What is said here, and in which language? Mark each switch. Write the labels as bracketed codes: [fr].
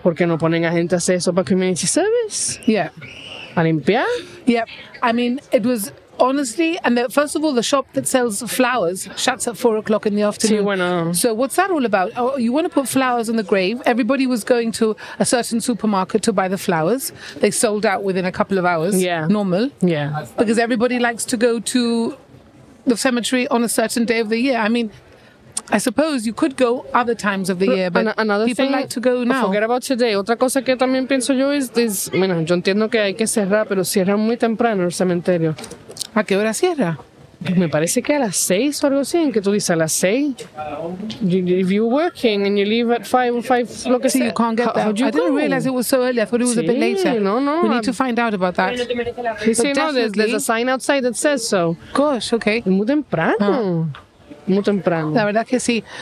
[es] ¿Por qué no ponen a gente a hacer eso para community service? [en] Yeah. [es] ¿A limpiar? [en] Yeah. I mean, it was... Honestly, and first of all, the shop that sells flowers shuts at 4 o'clock in the afternoon. [es] Sí, bueno. [en] So what's that all about? Oh, you want to put flowers in the grave? Everybody was going to a certain supermarket to buy the flowers. They sold out within a couple of hours. Yeah. Normal. Yeah. Because everybody likes to go to the cemetery on a certain day of the year. I mean, I suppose you could go other times of the year, but another people thing, like to go now. Forget about today. [es] Otra cosa que también pienso yo es, bueno, yo entiendo que hay que cerrar, pero cierra muy temprano el cementerio. ¿A qué hora cierra? Me parece que a las 6 o algo así, en que tú dices a las 6. [en] If you're working and you leave at 5 or 5, [es] lo que [en] sea. So you can't get there. I didn't realize it was so early. I thought it was [es] sí, [en] a bit later. No. We need to find out about that. [es] Sí, sí, no, [en] there's a sign outside that says so. Gosh, okay. [es] Es muy temprano. Muy temprano. La verdad que sí.